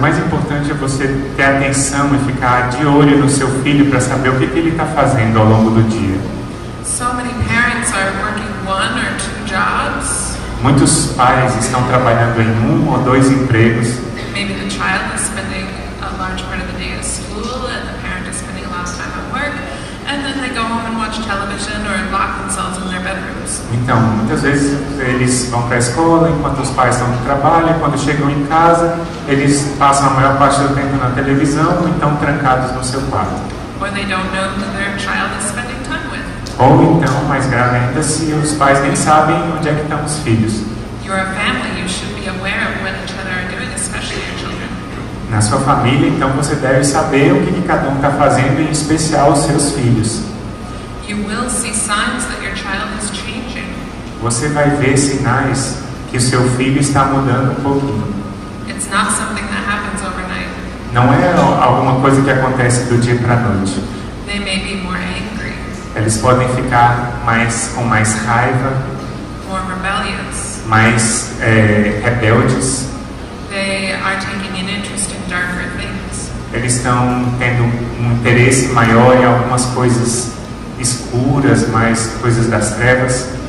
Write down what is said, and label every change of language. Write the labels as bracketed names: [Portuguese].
[Portuguese] E ficar de olho no seu filho para saber o que ele está fazendo ao longo do dia. [English] So many parents are working one or two jobs. [Portuguese] Muitos pais estão trabalhando em um ou dois empregos. [English] Maybe the child is spending a large part of the day at school and the parent is spending a lot of time at work and then they go home and watch television or lock themselves in their bedrooms. [Portuguese] Então, muitas vezes eles vão para a escola enquanto os pais estão no trabalho e quando chegam em casa eles passam a maior parte do tempo na televisão ou então trancados no seu quarto. [English] Or they don't know who their child is spending time with. [Portuguese] Ou então, mais grave ainda, se os pais nem sabem onde é que estão os filhos. [English] You're a family, you should be aware of what each other are doing, especially your children. [Portuguese] Na sua família, então, você deve saber o que cada um está fazendo, em especial os seus filhos. [English] You will see signs that your child is changing. [Portuguese] Você vai ver sinais que o seu filho está mudando um pouquinho. [English] Not something that happens overnight. [Portuguese] Não é alguma coisa que acontece do dia para a noite. [English] They may be more angry. [Portuguese] Eles podem ficar mais com mais raiva. [English] More rebellious. [Portuguese] Mais rebeldes. [English] They are taking an interest in darker things. [Portuguese] Eles estão tendo um interesse maior em algumas coisas escuras, mais coisas das trevas.